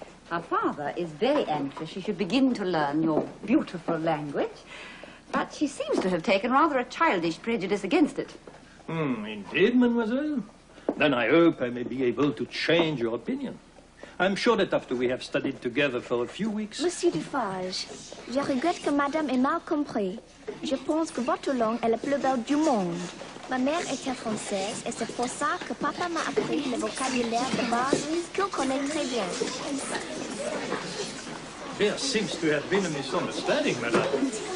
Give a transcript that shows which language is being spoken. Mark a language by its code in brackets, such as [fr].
[en] Her father is very anxious she should begin to learn your beautiful language, but she seems to have taken rather a childish prejudice against it. Indeed, mademoiselle. Then I hope I may be able to change your opinion. I'm sure that after we have studied together for a few weeks... [fr] Monsieur Dufarge, je regrette que madame ait mal compris. Je pense que votre langue est la plus belle du monde. Ma mère était française et c'est pour ça que papa m'a appris le vocabulaire de base qu'on connaît très bien. [en] There seems to have been a misunderstanding, madame.